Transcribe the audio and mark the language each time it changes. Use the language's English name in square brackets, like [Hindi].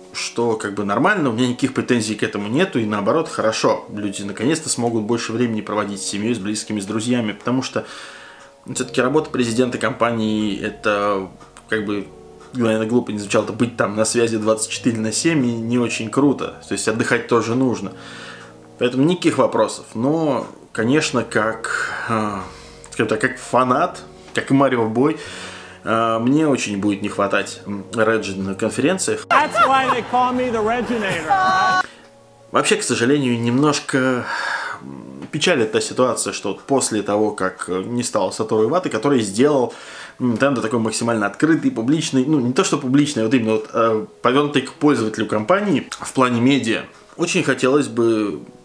[Russian] что как бы нормально, у меня никаких претензий к этому нету, и наоборот, хорошо, люди наконец-то смогут больше времени проводить с семьей, с близкими, с друзьями, потому что все-таки работа президента компании, это как бы, наверное, глупо не звучало, это быть там на связи 24/7 не очень круто, то есть отдыхать тоже нужно. Поэтому никаких вопросов, но, конечно, как, скажем так, как фанат, как и Марио Бой, мне очень будет не хватать Реджи на конференциях. [English] That's why they call me the Reginator. [Russian] Вообще, к сожалению, немножко печалит та ситуация, что после того, как не стало Сатору Ивате, который сделал Nintendo такой максимально открытый, публичный, ну не то что публичный, а вот именно вот, повернутый к пользователю компании в плане медиа, очень хотелось бы